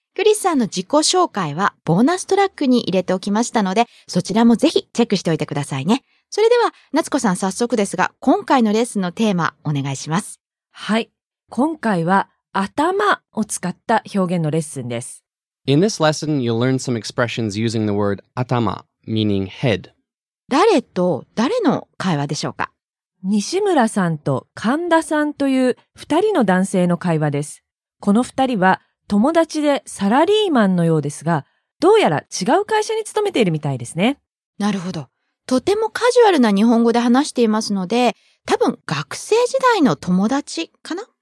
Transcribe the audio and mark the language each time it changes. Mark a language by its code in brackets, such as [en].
[ja] クリスさんの自己紹介はボーナストラックに入れておきましたので、そちらもぜひチェックしておいてくださいね。それでは夏子さん、早速ですが今回のレッスンのテーマお願いします。はい、今回は頭を使った表現のレッスンです。 [en] In this lesson, you'll learn some expressions using the word 頭, meaning head. [ja] 誰と誰の会話でしょうか？西村さんと神田さんという二人の男性の会話です。この二人は友達でサラリーマンのようですが、どうやら違う会社に勤めているみたいですね。なるほど、とてもカジュアルな日本語で話していますので、多分学生時代の友達かな。